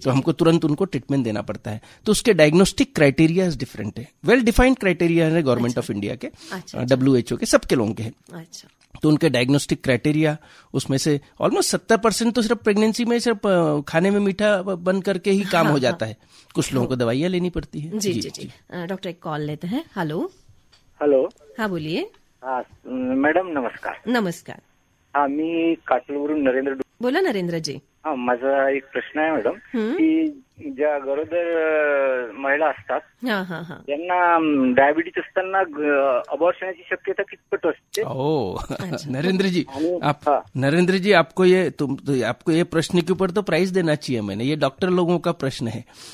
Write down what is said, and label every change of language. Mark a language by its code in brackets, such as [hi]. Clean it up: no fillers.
[hi] तो हमको तुरंत उनको ट्रीटमेंट देना पड़ता है, तो उसके डायग्नोस्टिक क्राइटेरिया डिफरेंट है, वेल डिफाइंड क्राइटेरिया है गवर्नमेंट ऑफ इंडिया के, WHO के, सबके लोगों के है। अच्छा, तो उनके डायग्नोस्टिक क्राइटेरिया, उसमें से ऑलमोस्ट 70% तो सिर्फ प्रेगनेंसी में सिर्फ खाने में मीठा बंद करके ही काम हो जाता है, कुछ लोगों को दवाइयां लेनी पड़ती है। जी जी जी, डॉक्टर एक कॉल लेते हैं। हेलो, हेलो, हाँ बोलिए। हाँ मैडम, नमस्कार। नमस्कार, [mr] हाँ मी काटलवरून नरेंद्र [hi] बोला, नरेंद्र जी। [mr] हाँ माझा एक प्रश्न आहे मॅडम की ज्या गरोदर महिला असतात ज्यांना डायबिटीज असताना अबॉर्शनची शक्यता कितपत असते? [hi] ओ नरेंद्र जी, नरेंद्र जी, आपको ये तुम तो आपको ये प्रश्न के ऊपर तो प्राइस देना चाहिए मैंने, ये डॉक्टर लोगों का प्रश्न है।